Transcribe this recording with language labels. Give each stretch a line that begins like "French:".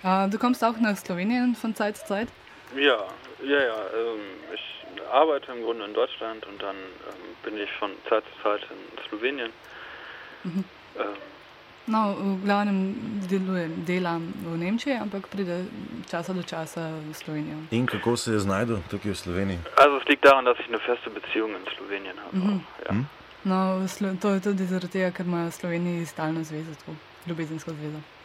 German: Du kommst auch nach Slowenien von Zeit zu Zeit? Ja. Ich arbeite im Grunde in Deutschland und dann bin ich von Zeit zu Zeit in Slowenien. Mhm.
Slovenian: No, v glavnem delam v Nemčiji, ampak pride časa do časa v Slovenijo. In kako se je znajdu tukaj v Sloveniji?
German: Also, es liegt daran, dass ich eine feste Beziehung in Slovenien habe. Mm-hmm. Ja.
Slovenian: No, to je tudi zaradi tega, ker imajo v Sloveniji stalno zvezo, tako, ljubezensko zvezo.